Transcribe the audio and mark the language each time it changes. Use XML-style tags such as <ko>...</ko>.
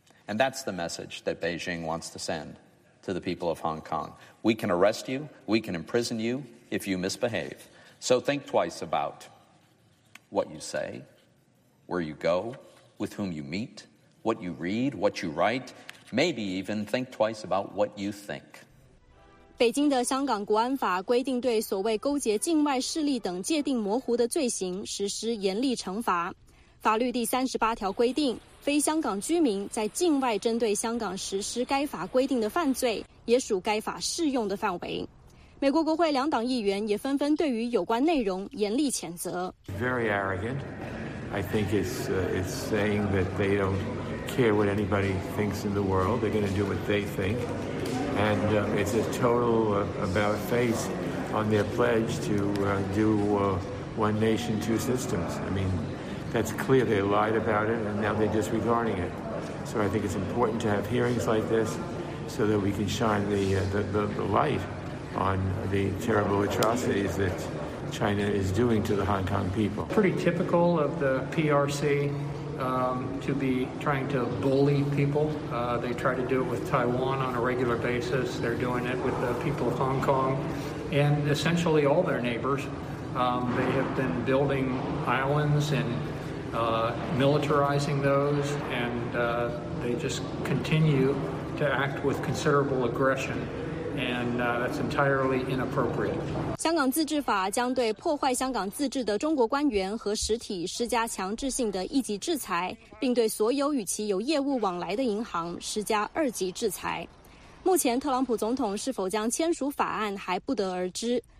<en>And that's the message that Beijing wants to send to the people of Hong Kong. We can arrest you, we can imprison you if you misbehave. So think twice about what you say, where you go, with whom you meet, what you read, what you write. Maybe even think twice about what you think.</en> <zh>北京的香港国安法规定对所谓勾结境外势力等界定模糊的罪行实施严厉惩罚。法律第38条规定，非香港居民在境外针对香港实施该法规定的犯罪，也属该法适用的范围。美国国会两党议员也纷纷对于有关内容严厉谴责。</zh> <en>Very arrogant. I think it's saying that they don't care what anybody thinks in the world. They're going to do what they think. And it's a total about face on their pledge to one nation, two systems. I mean, that's clear. They lied about it, and now they're disregarding it. So I think it's important to have hearings like this so that we can shine the light on the terrible atrocities that China is doing to the Hong Kong people. Pretty typical of the PRC. To be trying to bully people. They try to do it with Taiwan on a regular basis. They're doing it with the people of Hong Kong and essentially all their neighbors. They have been building islands and militarizing those, and they just continue to act with considerable aggression. That's entirely inappropriate.</en> <zh>香港自治法将对破坏香港自治的中国官员和实体施加强制性的一级制裁，并对所有与其有业务往来的银行施加二级制裁。目前，特朗普总统是否将签署法案还不得而知。</zh>